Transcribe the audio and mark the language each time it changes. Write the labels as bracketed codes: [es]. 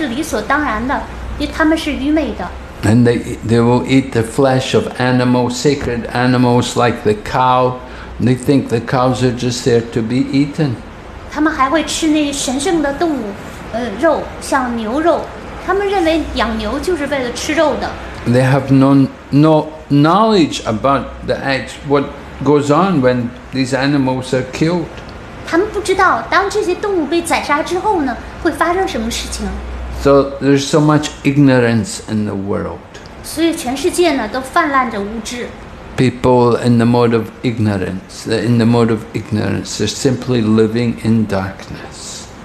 [zh] 他们抽烟喝酒就觉得是理所当然的，因为他们是愚昧的。 [en] And they will eat the flesh of animals, sacred animals like the cow. And they think the cows are just there to be eaten. [zh] 他们还会吃那神圣的动物，肉，像牛肉。他们认为养牛就是为了吃肉的。 [en] They have no knowledge about the acts, what goes on when these animals are killed. [zh] 他们不知道当这些动物被宰杀之后呢，会发生什么事情。 [en] So there's so much ignorance in the world. [zh] 所以全世界呢都泛滥着无知。 [en] People in the mode of ignorance, they're simply living in darkness.